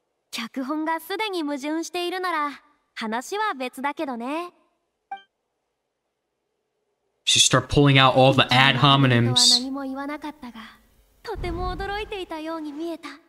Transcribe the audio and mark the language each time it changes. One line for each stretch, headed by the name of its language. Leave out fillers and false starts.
Japanese: 脚本がすでに矛盾しているなら話は別だけどね。
English: She start pulling out all the ad hominems.
Japanese: 何も言わなかったが、とても驚いていたように見えた。